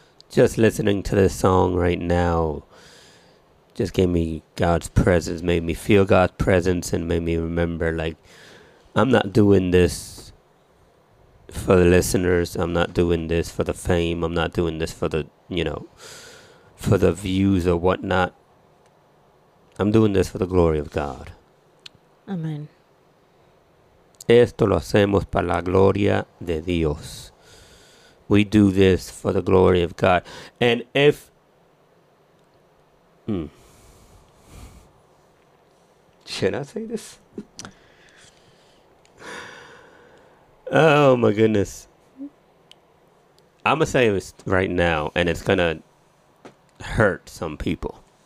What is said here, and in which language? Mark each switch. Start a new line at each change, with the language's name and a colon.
English: just listening to this song right now just gave me God's presence, made me feel God's presence, and made me remember, like, I'm not doing this for the listeners. I'm not doing this for the fame. I'm not doing this for the, you know, for the views or whatnot. I'm doing this for the glory of God. Amen.
Spanish: Esto lo hacemos para la gloria de Dios.
English: We do this for the glory of God. And if... Should I say this? Oh, my goodness. I'm going to say this right now, and it's going to hurt some people.